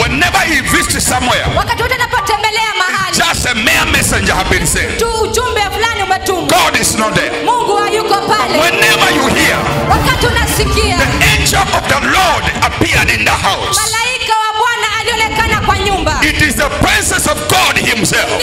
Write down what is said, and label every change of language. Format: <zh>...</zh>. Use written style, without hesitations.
<en>Whenever he visits somewhere.</en> <sw>Wakati wote anapotembelea mahali.</sw> <en>Just a mere messenger have been sent.</en> <sw>Tu ujumbe fulani umetumwa.</sw> <en>God is not there.</en> <sw>Mungu hayuko pale.</sw> <en>But whenever you hear.</en> <sw>Wakati unasikia.</sw> <en>The angel of the Lord appeared in the house.</en> <sw>Malaika wa Bwana alionekana kwa nyumba.</sw> <en>It is the presence of God himself.</en>